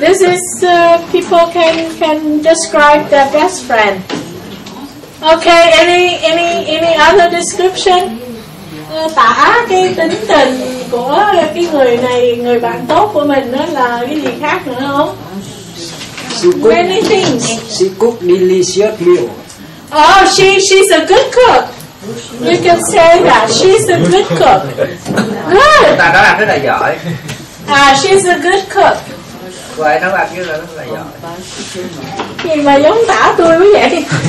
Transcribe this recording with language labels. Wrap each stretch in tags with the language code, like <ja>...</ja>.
<en>This is people can describe their best friend. Okay, any other description?</en> <vi>Tả cái tính tình của cái người này, người bạn tốt của mình đó là cái gì khác nữa không?</vi> <en>Many things. She cook delicious meal. Oh, she's a good cook. You can say that she's a good cook. Good.</en> <vi>Ta nói là rất là giỏi.</vi> <en>She's a good cook.</en> <vi>Vậy nó làm như là rất là giỏi. Nhìn mà giống tả tôi quá vậy.</vi>